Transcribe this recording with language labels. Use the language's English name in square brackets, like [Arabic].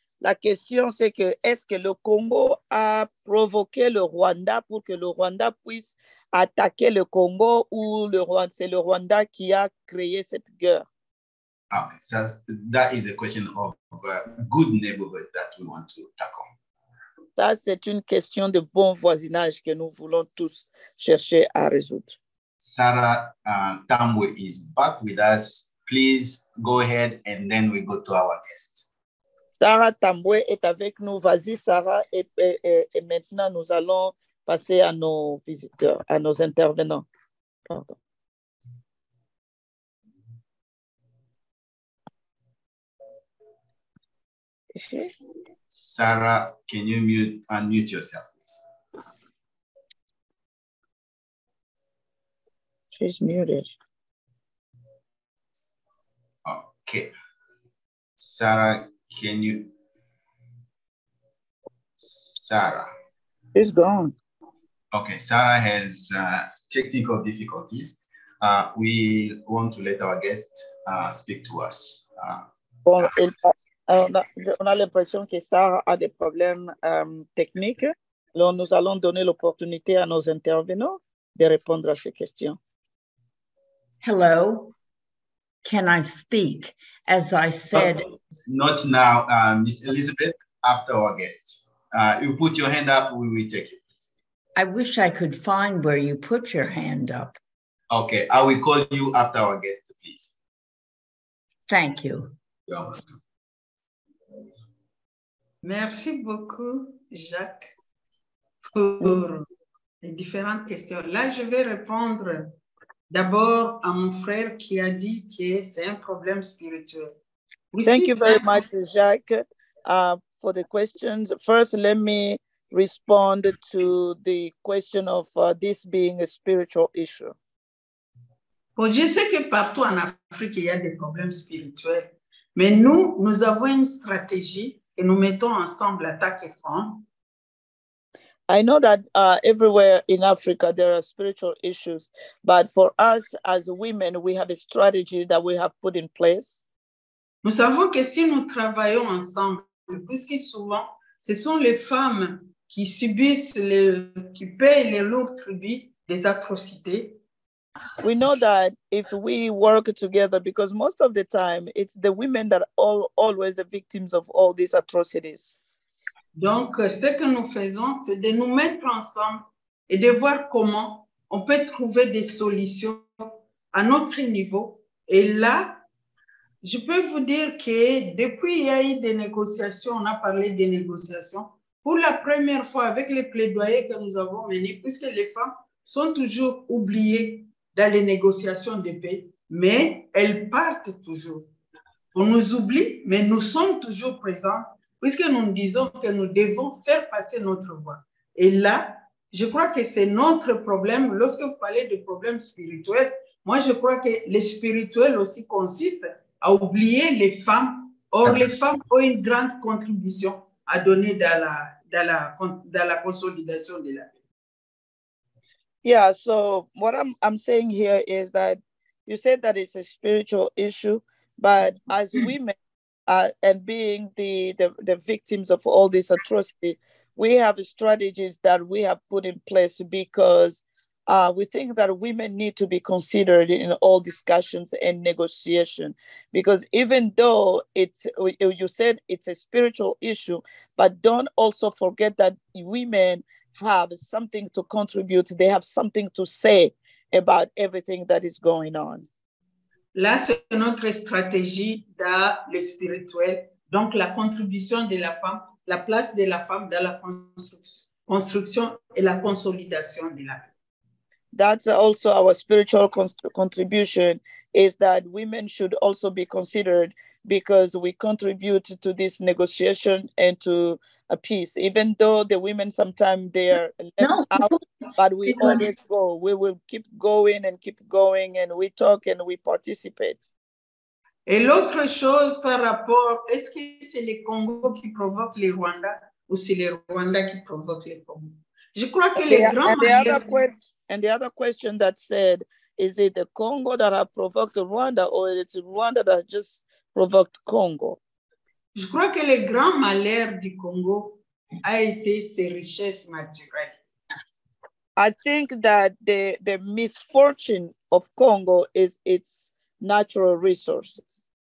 [French] La question c'est que est-ce que le Congo a provoqué le Rwanda pour que le Rwanda puisse attaquer le Congo ou le Rwanda, c'est le Rwanda qui a créé cette guerre? [English] Okay, so that is a question of a good neighborhood that we want to tackle. [French] Ça c'est une question de bon voisinage que nous voulons tous chercher à résoudre. [English] Sarah Tambwe is back with us. Please go ahead and then we go to our guest. [French] Sarah Tambwe est avec nous. Vas-y, Sarah. Et maintenant, nous allons passer à nos visiteurs, à nos intervenants. Pardon. [English] Sarah, can you unmute yourself, please? She's muted. Okay. Sarah, can you? Sarah. It's gone. Okay, Sarah has technical difficulties. We want to let our guest speak to us. [French] Bon, on a l'impression que Sarah a des problèmes techniques. Alors, nous allons donner l'opportunité à nos intervenants de répondre à ces questions. [English] Hello. Can I speak? As I said, not now, Miss Elizabeth, after our guest. You put your hand up, we will take it. I wish I could find where you put your hand up. Okay, I will call you after our guest, please. Thank you. You're welcome. [French] Merci beaucoup, Jacques, pour les différentes questions. Là, je vais répondre. D'abord, à mon frère qui a dit que c'est un problème spirituel. [English] Thank you very much, Jacques, for the questions. First, let me respond to the question of this being a spiritual issue. [French] Bon, je sais que partout en Afrique, il y a des problèmes spirituels. Mais nous, nous avons une stratégie et nous mettons ensemble l'attaque et front. [English] I know that everywhere in Africa there are spiritual issues, but for us as women, we have a strategy that we have put in place. [French] Nous savons que si nous travaillons ensemble, puisque souvent ce sont les femmes qui subissent qui payent les lourds tributs des atrocités. [English] We know that if we work together, because most of the time it's the women that are always the victims of all these atrocities. [French] Donc, ce que nous faisons, c'est de nous mettre ensemble et de voir comment on peut trouver des solutions à notre niveau. Et là, je peux vous dire que depuis, il y a eu des négociations, on a parlé des négociations, pour la première fois avec les plaidoyers que nous avons menés, puisque les femmes sont toujours oubliées dans les négociations de paix, mais elles partent toujours. On nous oublie, mais nous sommes toujours présents. Puisque nous disons que nous devons faire passer notre voix. Et là, je crois que c'est notre problème. Lorsque vous parlez de problèmes spirituels, moi, je crois que le spirituel aussi consiste à oublier les femmes. Or, les femmes ont une grande contribution à donner dans la consolidation de la paix. [English] Yeah, so what I'm saying here is that you said that it's a spiritual issue, but as women, and being the victims of all this atrocity, we have strategies that we have put in place because we think that women need to be considered in all discussions and negotiation. Because even though you said it's a spiritual issue, but don't also forget that women have something to contribute. They have something to say about everything that is going on. [French] Là, c'est notre stratégie dans le spirituel, donc la contribution de la femme, la place de la femme dans la construction et la consolidation de la paix. [English] That's also our spiritual contribution, is that women should also be considered because we contribute to this negotiation and to a peace, even though the women sometimes they are left out. but we always go. We will keep going and keep going, and we talk and we participate. [French] Et l'autre chose par rapport, est-ce que c'est les Congo qui provoquent les Rwanda ou c'est les Rwanda qui provoquent les Congo? Je crois que les grands manières... [English] And the other question that said, is it the Congo that have provoked Rwanda or is it Rwanda that just provoked Congo? [French] Je crois que le grand malheur du Congo a été ses richesses naturelles. [English] I think that the misfortune of Congo is its natural resources.